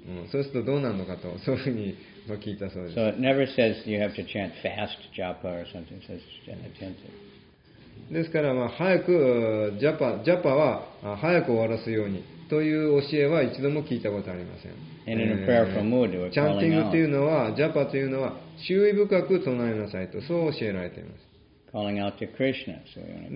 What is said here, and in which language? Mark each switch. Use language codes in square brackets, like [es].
[ja] そうするとどうなるのかと、そういうふうに聞いたそうです。 [en] So it never says you have to chant fast japa or something. It says chant attentive. [ja] ですから、まあ、早くジャパは早く終わらすように。という教えは一度も聞いたことありません。チャンティングというのは、ジャパというのは、注意深く唱えなさいと、そう教えられています。 [en] Calling out to Krishna, so、